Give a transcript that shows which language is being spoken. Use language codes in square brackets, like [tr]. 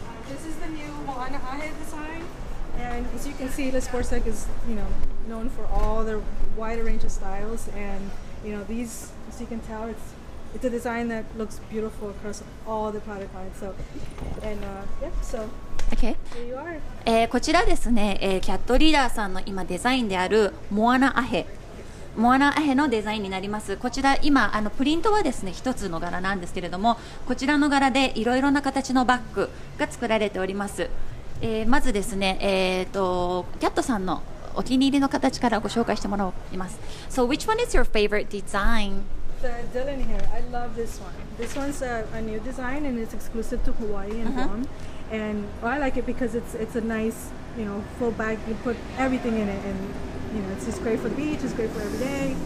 [en] This is the new Moana Ahe design, and as you can see, the sports deck is, you know, known for all their wider range of styles, and you know, these, as you can tell, it's a design that looks beautiful across all the product lines. So, and yeah, so. Okay. Here you are. [ja] こちらですね、キャットリーダーさんの今デザインであるモアナアヘ。モアナアヘのデザインになります。こちら今あのプリントはですね、一つの柄なんですけれども、こちらの柄でいろいろな形のバッグが作られております。まずですね、キャットさんのお気に入りの形からご紹介してもらいます。 [en] So which one is your favorite design? The Dylan here, I love this one. This one's a new design and it's exclusive to Hawaii and Guam. And I like it because it's a nice, you know, full bag. You put everything in it andYou know, it's just great for the beach, it's great for every day.